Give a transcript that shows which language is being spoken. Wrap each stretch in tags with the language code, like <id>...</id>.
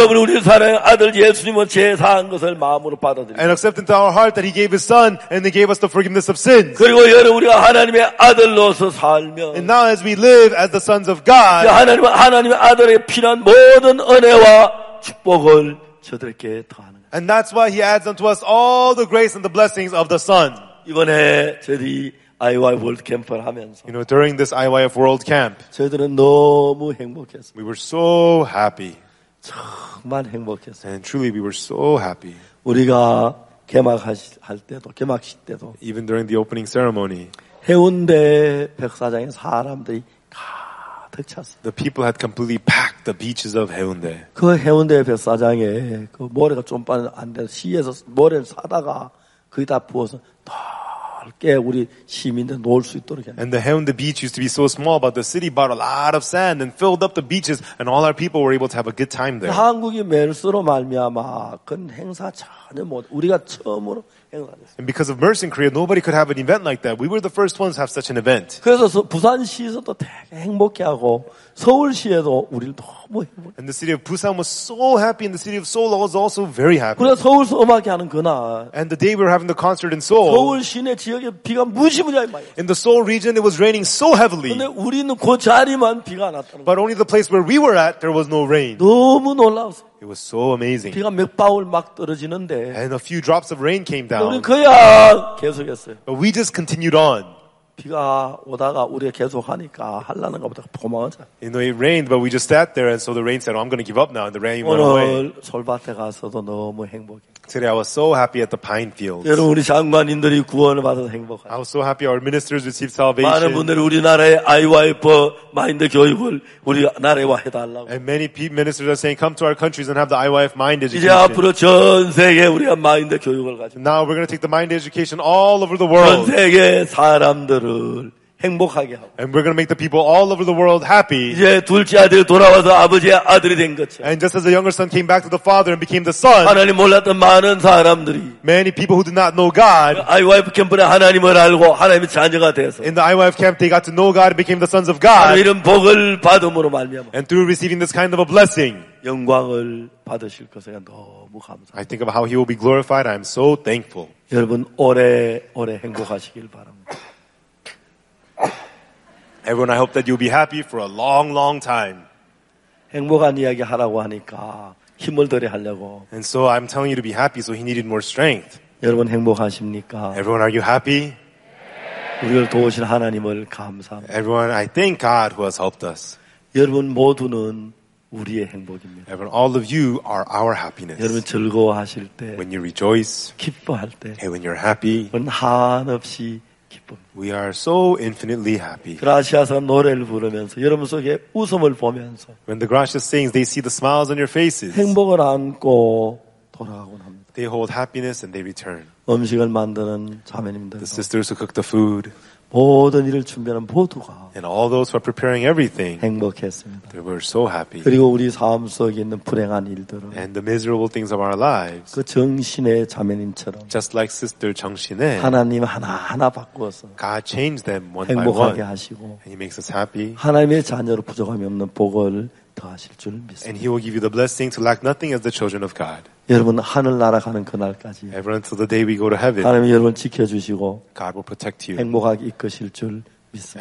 <ko>그분 우리 사랑 아들 예수님을 제사한 것을 마음으로 받아들이고</ko> <en>and accept into our heart that He gave His Son and He gave us the forgiveness of sins.</en> <ko>그리고 여러분 우리가 하나님의 아들로서 살면</ko> <en>and now as we live as the sons of God.</en> <ko>하나님은 하나님의 아들의 피난 모든 은혜와 축복을 저들께 더하는.</ko> <en>And that's why he adds unto us all the grace and the blessings of the Son.</en> <ko>이번에 저희 IYF World Camp을 하면서</ko> <en>You know, during this IYF World Camp,</en> <ko>저희들은 너무 행복했어요.</ko> <en>We were so happy.</en> <ko>정말 행복했어요.</ko> <en>And truly, we were so happy.</en> <ko>우리가 개막할 때도, 개막식 때도</ko> <en>Even during the opening ceremony,</en> <ko>해운대 백사장에 사람들이 가득 찼어요.</ko> <en>The people had completely packed the beaches of 해운대.</en> <ko>그 해운대 백사장에 그 모래가 좀 안 돼서 시에서 모래를 사다가 거기다 부어서 넓게 우리 시민들 놀 수 있도록</ko> <en>And the 해운대 beach used to be so small but the city brought a lot of sand and filled up the beaches and all our people were able to have a good time there.</en> <ko>한국이 멜스로 말미암아 그 행사 전혀 못 우리가 처음으로</ko> <en>And because of Mercy in Korea, nobody could have an event like that. We were the first ones to have such an event.</en> <ko>그래서 부산시에서도 되게 행복해하고 서울시에도 우리를 너무 행복해.</ko> <en>And the city of Busan was so happy, and the city of Seoul was also very happy.</en> <ko>그래서 서울서 음악회 하는 그날.</ko> <en>And the day we were having the concert in Seoul.</en> <ko>서울 시내 지역에 비가 무지무지하게 많이.</ko> <en>In the Seoul region, it was raining so heavily.</en> <ko>근데 우리는 그 자리만 비가 안 왔다는.</ko> <en>But only the place where we were at, there was no rain.</en> <ko>너무 놀라웠어.</ko> <en>It was so amazing.</en> <ko>비가 몇 방울 막 떨어지는데.</ko> <en>And a few drops of rain came down.</en> <ko>우리 그야 계속했어요.</ko> <en>But we just continued on.</en> <ko>비가 오다가 우리가 계속하니까 하려는가 보다 포마하자.</ko> <en>You know, it rained, but we just sat there, and so the rain said, oh, "I'm going to give up now." And the rain went away.</en> <ko>오늘 솔밭에 가서도 너무 행복해.</ko> <en>Today I was so happy at the pine fields.</en> <ko>여러분 우리 장관님들이 구원을 받아서 행복해.</ko> <en>I was so happy our ministers received salvation.</en> <ko>많은 분들이 우리나라의 IYF 마인드 교육을 우리 나라와 해달라고.</ko> <en>And many ministers are saying, "Come to our countries and have the IYF mind education."</en> <ko>이제 앞으로 전 세계 우리가 마인드 교육을 가지고.</ko> <en>Now we're going to take the mind education all over the world.</en> <ko>전 세계 사람들을 행복하게 하고.</ko> <en>And we're going to make the people all over the world happy.</en> <ko>이제 둘째 아들 돌아와서 아버지의 아들이 된 것처럼.</ko> <en>And just as the younger son came back to the father and became the son.</en> <ko>하나님 몰랐던 많은 사람들이.</ko> <en>Many people who did not know God.</en> <ko>IYF 캠프에 하나님을 알고 하나님의 자녀가 되어서.</ko> <en>In the IYF camp, they got to know God and became the sons of God.</en> <ko>이런 복을 받음으로 말미암아.</ko> <en>And through receiving this kind of a blessing.</en> <ko>영광을 받으실 것에 너무 감사합니다.</ko> <en>I think of how He will be glorified. I am so thankful.</en> <ko>여러분 오래 오래 행복하시길 바랍니다.</ko> <en>Everyone, I hope that you'll be happy for a long, long time.</en> <ko>행복한 이야기 하라고 하니까 힘을 덜해 하려고.</ko> <en>And so I'm telling you to be happy, so he needed more strength.</en> <ko>여러분 행복하십니까?</ko> <en>Everyone, are you happy?</en> <ko>우리를 도우신 하나님을 감사합니다.</ko> <en>Everyone, I thank God who has helped us.</en> <ko>여러분 모두는 우리의 행복입니다.</ko> <en>Everyone, all of you are our happiness.</en> <ko>여러분 즐거워하실 때.</ko> <en>When you rejoice.</en> <ko>기뻐할 때.</ko> <en>And when you're happy.</en> <ko>한없이</ko> <en>We are so infinitely happy.</en> <ko>그라시아스가 노래를 부르면서 여러분 속에 웃음을 보면서</ko> <en>When the gracious sings, they see the smiles on your faces.</en> <ko>행복을 안고 돌아가곤 합니다.</ko> <en>They hold happiness and they return.</en> <ko>음식을 만드는 자매님들</ko> <en>The sisters who cook the food.</en> <ko>모든 일을 준비하는 모두가</ko> <en>And all those who are preparing everything.</en> <ko>행복했습니다.</ko> <en>They were so happy.</en> <ko>그리고 우리 삶 속에 있는 불행한 일들은</ko> <en>And the miserable things of our lives.</en> <ko>그 정신의 자매님처럼</ko> <en>Just like sister 정신에</en> <ko>하나님 하나하나 바꾸어서</ko> <en>God changed them one by one.</en> <ko>행복하게 하시고</ko> <en>And he makes us happy.</en> <ko>하나님의 자녀로 부족함이 없는 복을 더하실 줄 믿습니다.</ko> <en>And he will give you the blessing to lack nothing as the children of God.</en> <ko>여러분 하늘 날아가는 그날까지</ko> <en>Everyone, till the day we go to heaven,</en> <ko>하나님 여러분 지켜주시고</ko> <en>God will protect you.</en> <ko>행복하게 이끄실 줄 믿습니다.</ko>